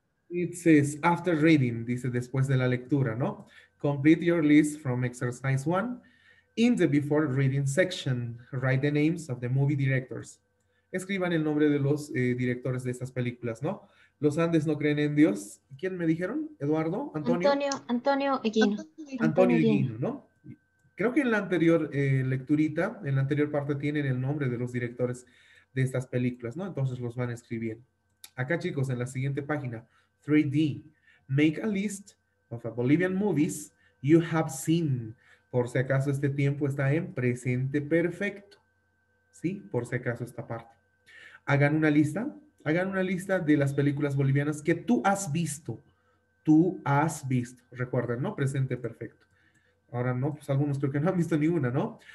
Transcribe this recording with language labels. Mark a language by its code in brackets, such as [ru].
[en] It says after reading, [es] dice después de la lectura, ¿no? [en] Complete your list from exercise one. In the before reading section, write the names of the movie directors. [es] Escriban el nombre de los directores de estas películas, ¿no? Los Andes no creen en Dios. ¿Quién me dijeron? ¿Eduardo? ¿Antonio? Antonio Eguino. Antonio Eguino, ¿no? Creo que en la anterior lecturita, en la anterior parte, tienen el nombre de los directores de estas películas, ¿no? Entonces los van a escribir. Acá, chicos, en la siguiente página, 3D. [en] Make a list of Bolivian movies you have seen. [es] Por si acaso este tiempo está en presente perfecto. ¿Sí? Por si acaso esta parte. Hagan una lista. Hagan una lista de las películas bolivianas que tú has visto. Tú has visto. Recuerden, ¿no? Presente perfecto. Ahora no, pues algunos creo que no han visto ninguna, ¿no?